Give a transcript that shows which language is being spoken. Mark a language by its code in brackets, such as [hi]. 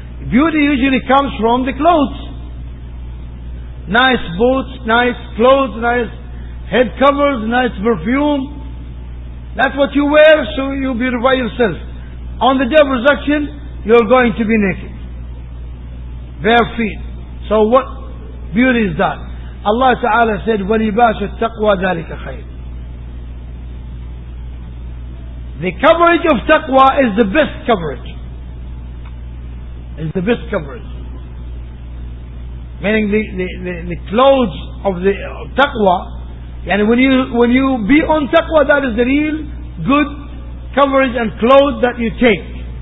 [en] Beauty usually comes from the clothes. Nice boots, nice clothes, nice head covers, nice perfume. That's what you wear, so you beautify yourself. On the day of resurrection, you're going to be naked. Bare feet. So what beauty is that? Allah Ta'ala said, [ar] وَلِبَاسُ التَّقْوَى ذَلِكَ خَيْرٌ. [en] The coverage of taqwa is the best coverage. It's the best coverage. Meaning the clothes of the taqwa. And when you be on taqwa, that is the real good coverage and clothes that you take.